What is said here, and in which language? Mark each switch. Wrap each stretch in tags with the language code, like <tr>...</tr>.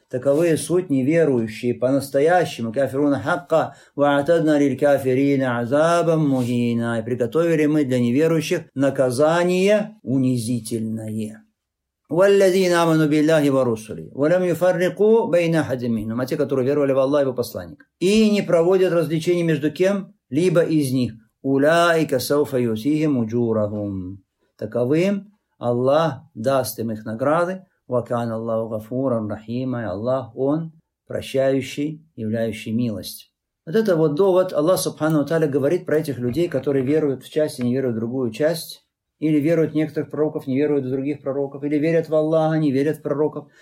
<ru>Таковые суть неверующие по-настоящему.</ru> <ar>«Кафируна хакка ва'атадна лиль кафирина азабам мухина».</ar> <ru>И приготовили мы для неверующих наказание унизительное.</ru> <ar>والذين آمنوا بالله ورسله ولم يفرقوا بين أحد منهم.</ar> <ru>А те, которые веровали в Аллаха и его посланника, и не проводят различений между кем либо из них.</ru> <ar>أولئك سوف يؤتيهم أجورهم.</ar> <ru>Таковым Аллах даст им их награды.</ru> <ar>وكان الله غفورا رحيما.</ar> <ru>Аллах, он прощающий, являющий милость. Вот это вот довод Аллах Субхану Тааля говорит про этих людей, которые веруют в часть и не веруют в другую часть. Или веруют в некоторых пророков, не веруют в других пророков. Или верят в Аллаха, не верят в пророков.</ru>